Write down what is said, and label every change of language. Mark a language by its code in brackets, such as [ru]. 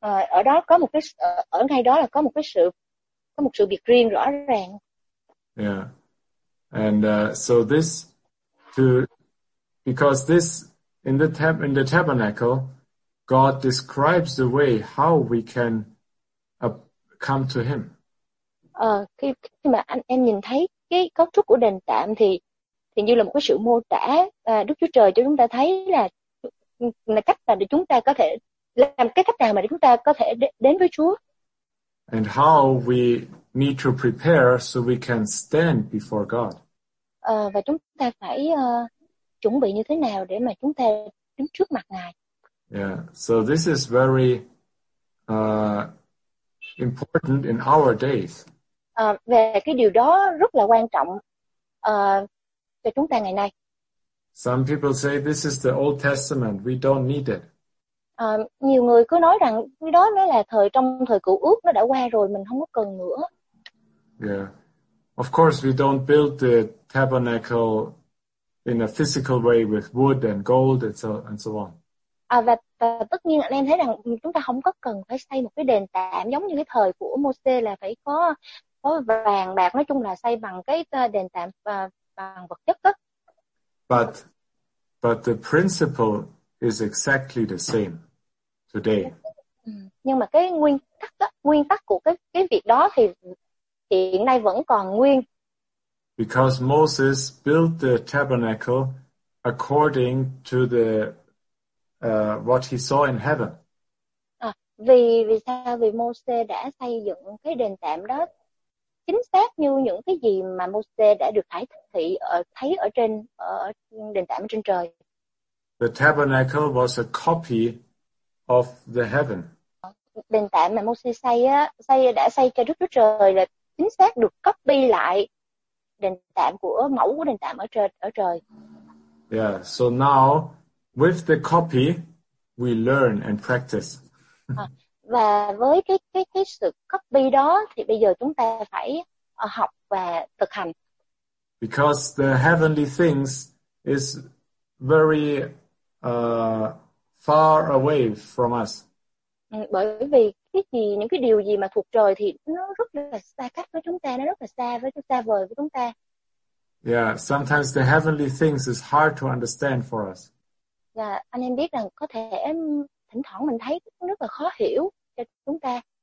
[vi] Ở đó có một cái ở ngay đó là có một sự biệt riêng rõ ràng. [en] Yeah. And so this to because this in the tabernacle God describes the way how we can come to him. [vi] Khi mà anh em nhìn thấy cái cấu trúc của đền tạm thì như là một cái sự mô tả Đức Chúa Trời cho chúng ta thấy là cách nào để chúng ta có thể làm cái cách nào mà để chúng ta có thể đến với Chúa. [en] And how we need to prepare so we can stand before God. [vi] Và chúng ta phải chuẩn bị như thế nào để mà chúng ta đứng trước mặt Ngài. [en] Yeah, so this is very important in our days. [vi] Về cái điều đó rất là quan trọng cho chúng ta ngày nay. [en] Some people say this is the Old Testament, we don't need it. [vi] Nhiều người cứ nói rằng cái đó nó là trong thời Cựu Ước nó đã qua rồi mình không có cần nữa. [en] Yeah. Of course we don't build the tabernacle in a physical way with wood and gold and so on. [vi] Và tất nhiên anh em thấy rằng chúng ta không có cần phải xây một cái đền tạm giống như cái thời của Môsê là phải có vàng bạc, nói chung là xây bằng cái đền tạm bằng vật chất đó. [en] But the principle is exactly the same today. [vi] Nhưng mà cái nguyên tắc của cái việc đó thì hiện nay vẫn còn nguyên. [en] Because Moses built the tabernacle according to the what he saw in heaven. [vi] Vì sao? Vì Moses đã xây dựng cái đền tạm đó chính xác như những cái gì mà Moses đã được thấy thấy ở đền tạm trên trời. [en] The tabernacle was a copy of the heaven. [vi] Đền tạm mà Moses đã xây cho Đức Chúa Trời là chính xác được copy lại đền tạm của mẫu của đền tạm ở trời. [en] Yeah, so now with the copy we learn and practice. [vi] Và với cái sự copy đó thì bây giờ chúng ta phải học và thực hành. [en] Because the heavenly things is very far away from us. [vi] Bởi vì những cái điều gì mà thuộc trời thì nó rất là xa cách với chúng ta, nó rất là xa vời với chúng ta. [en] Yeah, sometimes the heavenly things is hard to understand for us. [vi] Và anh em biết rằng có thể thỉnh thoảng mình thấy nó rất là khó hiểu cho chúng ta.